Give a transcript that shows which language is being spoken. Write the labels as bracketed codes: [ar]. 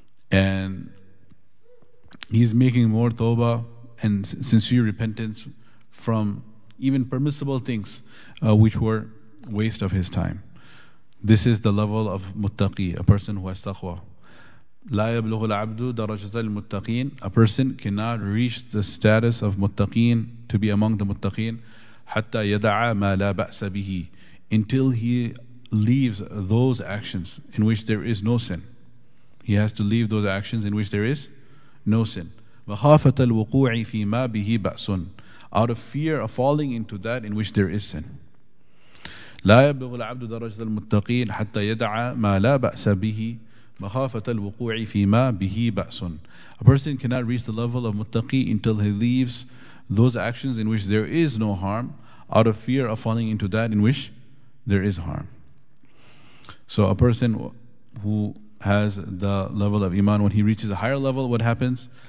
[en] And he's making more tawbah and sincere repentance from even permissible things which were waste of his time. This is the level of muttaqi, a person who has taqwa. [ar] لا يبلغ العبد درجة المتقين. [en] A person cannot reach the status of muttaqin, to be among the muttaqin, [ar] حتى يدعى ما لا بأس به, [en] until he leaves those actions in which there is no sin. He has to leave those actions in which there is no sin. [ar] مخافة الوقوع فيما به بأس, [en] out of fear of falling into that in which there is sin. [ar] لا يبلغ العبد درجة المتقين حتى يدعى ما لا بأس به مخافة الوقوع فيما به بأس. [en] A person cannot reach the level of muttaqi until he leaves those actions in which there is no harm, out of fear of falling into that in which there is harm. So a person who has the level of iman, when he reaches a higher level, what happens?